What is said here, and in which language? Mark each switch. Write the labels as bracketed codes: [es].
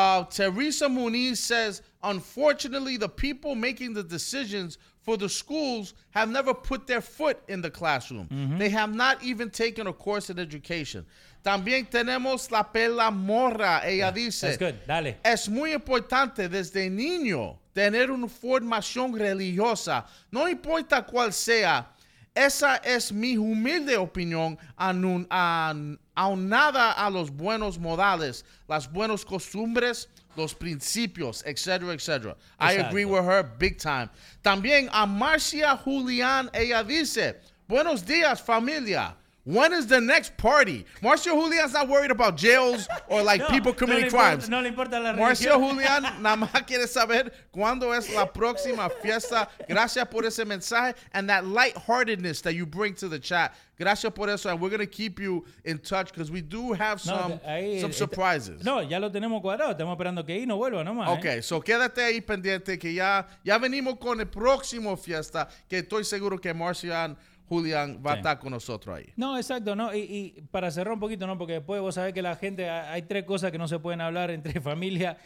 [en] Teresa Muniz says, unfortunately, the people making the decisions for the schools have never put their foot in the classroom. Mm-hmm. They have not even taken a course in education. [es] También tenemos la Pela Morra. Ella yeah, dice, [en] that's good. Dale. [es] Es muy importante desde niño tener una formación religiosa. No importa cuál sea. Esa es mi humilde opinión aunada a los buenos modales, las buenas costumbres, los principios, etc., etc. Exacto. [en] I agree with her big time. [es] También a Marcia Julián, ella dice, buenos días, familia. [en] When is the next party? Marcia Julián's not worried about jails or like no, people committing crimes. [es] No le importa la Marcia religión. Julián nada más quiere saber cuándo es la próxima fiesta. Gracias por ese mensaje [en] and that lightheartedness that you bring to the chat. [es] Gracias por eso. [en] And we're going to keep you in touch because we do have some surprises. [es] No, ya lo tenemos cuadrado. Estamos esperando que ahí no vuelva nomás. Ok, so quédate ahí pendiente que ya venimos con el próximo fiesta que estoy seguro que Marcian Julián va sí. a estar con nosotros ahí. No, exacto, ¿no? Y para cerrar un poquito, ¿no? Porque después vos sabés que la gente, hay tres cosas que no se pueden hablar entre familia,